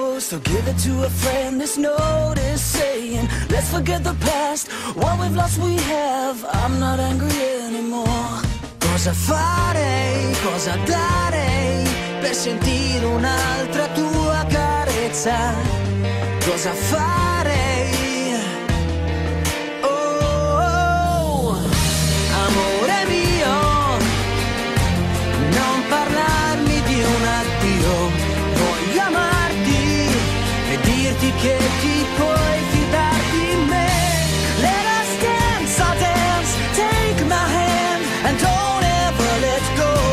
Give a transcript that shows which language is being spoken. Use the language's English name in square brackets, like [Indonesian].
[English] So give it to a friend, this note is saying, let's forget the past, what we've lost we have. I'm not angry anymore. [Italian] Cosa farei, cosa darei per sentire un'altra tua carezza? Cosa farei? Oh, amore mio, non parlarmi di un addio. Voglio amarti e dirti che ti puoi fidare di me. [English] Let us dance our dance, take my hand and don't ever let go.